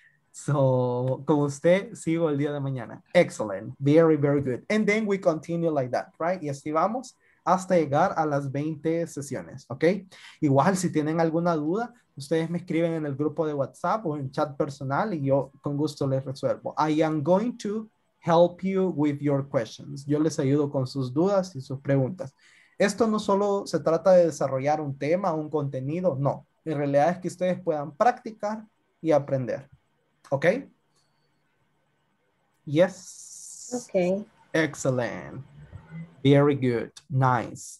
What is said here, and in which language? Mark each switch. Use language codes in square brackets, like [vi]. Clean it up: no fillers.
[es] So, con usted sigo el día de mañana. [en] Excellent. Very, very good. And then we continue like that, right? [es] Y así vamos hasta llegar a las 20 sesiones, ¿ok? Igual, si tienen alguna duda, ustedes me escriben en el grupo de WhatsApp o en chat personal y yo con gusto les resuelvo. [en] I am going to help you with your questions. [es] Yo les ayudo con sus dudas y sus preguntas. Esto no solo se trata de desarrollar un tema, un contenido, no. En realidad es que ustedes puedan practicar y aprender. ¿Ok? [en] Yes. Ok. Excellent. Very good. Nice.